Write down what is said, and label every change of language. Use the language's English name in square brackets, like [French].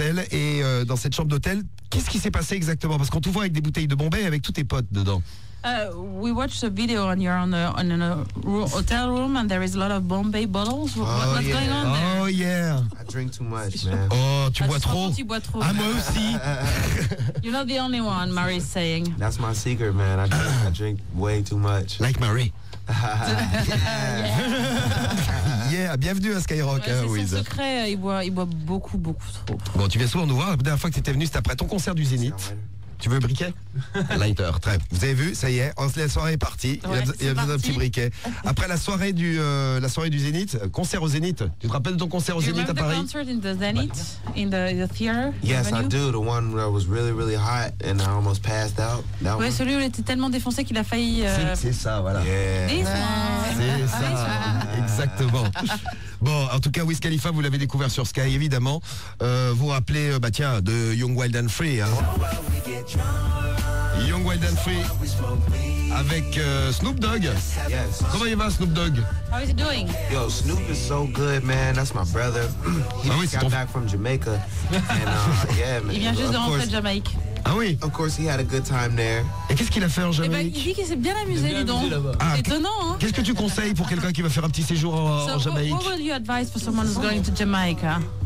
[French] Et dans cette chambre d'hôtel, qu'est-ce qui s'est passé exactement? Parce qu'on te voit avec des bouteilles de Bombay avec tous tes potes dedans. [English] We watched a video and you're on the on in a hotel room and there is a lot of Bombay bottles. What's going on there? Oh yeah. I drink too much, man. [French] Oh, tu bois trop. Tu bois trop. Ah, moi aussi. [English] You're not the only one, Marie's saying. That's my secret, man. I drink way too much. Like Marie. Yeah, [French] bienvenue à Skyrock, ouais, Wiz. C'est son secret, il boit beaucoup, beaucoup trop. Bon, tu viens souvent nous voir. La dernière fois que tu étais venu, c'était après ton concert du Zénith. Tu veux briquet? Lighter, très. Vous avez vu, ça y est, la soirée est partie. Ouais, il y a besoin d'un petit briquet. Après la soirée du Zénith, concert au Zénith. Tu te rappelles de ton concert au Zénith à Paris? [English] Do you remember the concert in the Zénith, in the theater? Yes, I do. The one that was really, really hot and I almost passed out. [French] Ouais, celui où il était tellement défoncé qu'il a failli. C'est ça, voilà. Yeah. [English] This one. [French] C'est ça. Exactement. Bon, en tout cas, Wiz Khalifa, vous l'avez découvert sur Sky, évidemment. Vous rappelez, bah tiens, de Young Wild and Free. Hein. Young Wild and Free avec Snoop Dogg. [English] Yes. [French] Comment il va, Snoop Dogg? [English] How is he doing? Yo, Snoop is so good, man. That's my brother. He just got back from Jamaica. And, yeah, man. [French] Il vient juste de rentrer de Jamaïque. Ah oui. [English] Of course, he had a good time there. [French] Et qu'est-ce qu'il a fait en Jamaïque? Ben, il dit qu'il s'est bien amusé, dis donc. Ah, étonnant. Hein? Qu'est-ce que tu conseilles pour quelqu'un qui va faire un petit séjour en Jamaïque? [English] What would you advise for someone who's going to Jamaica?